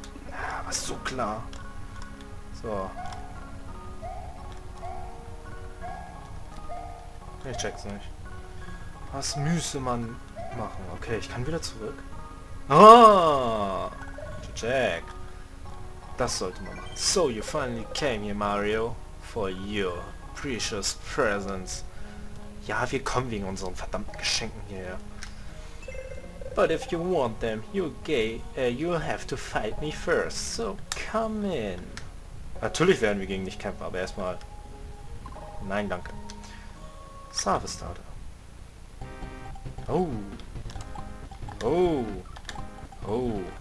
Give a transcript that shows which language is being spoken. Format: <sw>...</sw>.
<de>Ja, was so klar. So. Ich check's nicht. Was müsse man machen? Okay, ich kann wieder zurück. Ah! Check. Das sollte man machen.</de> <en>So, you finally came here, Mario. For you. Precious presence.</en> <de>Ja, wir kommen wegen unseren verdammten Geschenken hierher.</de> <en>But if you want them, you'll have to fight me first. So come in.</en> <de>Natürlich werden wir gegen dich kämpfen, aber erstmal Nein, danke. Savestade. Oh. Oh. Oh.</de>